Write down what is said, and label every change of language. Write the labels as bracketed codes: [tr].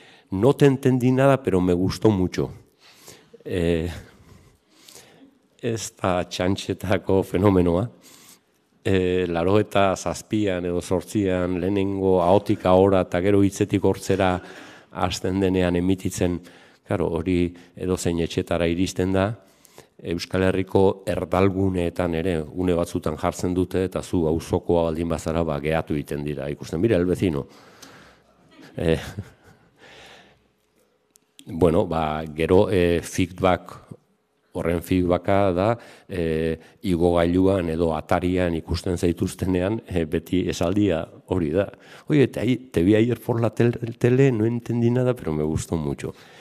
[es] No te entendi nada, pero me gustó mucho. [eu] Ez da txantxetako fenomenoa. 1987-1988 lehenengo ahotik ahora eta gero hitzetik hortzera hasten denean emititzen, claro, hori edozein etxetara iristen da, Euskal Herriko erdalguneetan ere, une batzutan jartzen dute, eta zu auzokoa baldin bazara, ba, gehatu egiten dira, ikusten, [es] mira, el vecino. [eu] Bueno, ba, gero feedback, horren feedbacka da, igogailuan edo atarian ikusten zaituztenean, beti esaldia hori da. [es] Oie, te vi ayer por la tele, no entendi nada, pero me gustó mucho.